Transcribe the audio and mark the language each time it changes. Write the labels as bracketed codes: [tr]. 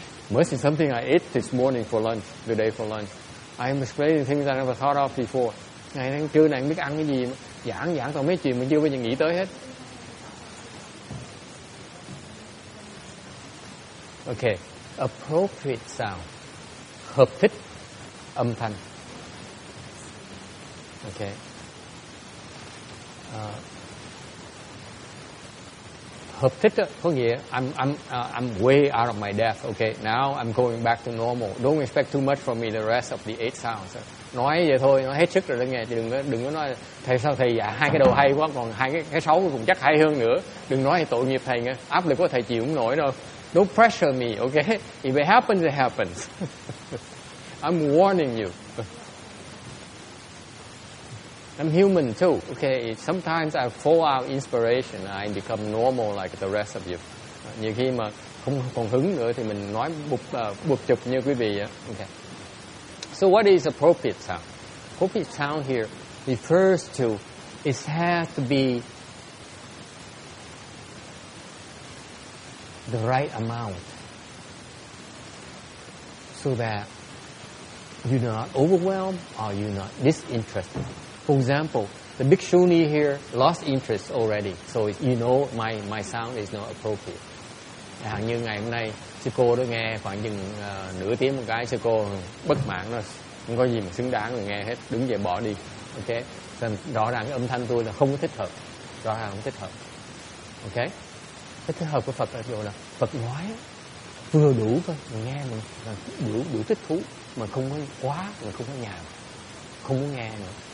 [en] Mercy, something I ate this morning for lunch, the day for lunch. I am explaining things I never thought of before. [vi] Ngày nay trưa này không biết ăn cái gì, giảng toàn mấy chuyện mình chưa bao giờ nghĩ tới hết. [en] Okay, appropriate sound, [vi] hợp thích âm thanh. [en] Okay. [vi] Hợp thích đó, có nghĩa [en] I'm way out of my depth. Okay, now I'm going back to normal. Don't expect too much from me the rest of the eight sounds. [vi] Nói vậy thôi, nói hết sức rồi đó nghe. Đừng có nói thầy sao thầy dạ hai cái đầu hay quá, còn hai cái xấu cũng chắc hay hơn nữa. Đừng nói tội nghiệp thầy nghe. Áp lực của thầy chịu không nổi đâu. [en] Don't pressure me, okay? If it happens, it happens. I'm warning you. I'm human too. Okay, sometimes I fall out inspiration. I become normal like the rest of you. [vi] Nhiều khi mà không còn hứng nữa thì mình nói bụp chụp như quý vị. [en] Okay. So what is appropriate sound? Appropriate sound here refers to it has to be the right amount so that you're not overwhelmed or you're not disinterested. For example, the bhikshuni here lost interest already, so you know my sound is not appropriate. [vi] Hằng như ngày hôm nay, sư cô đó nghe khoảng chừng nửa tiếng một cái, sư cô bất mãn rồi, không có gì mà xứng đáng mà nghe hết, đứng dậy bỏ đi. [en] Okay, so, [vi] rõ ràng cái âm thanh tôi là không có thích hợp, rõ ràng không thích hợp. [en] Okay, [vi] cái thích hợp của Phật là điều là Phật nói vừa đủ thôi, mình nghe mình đủ thích thú, mà không có quá, mà không có nhàm, không muốn nghe nữa.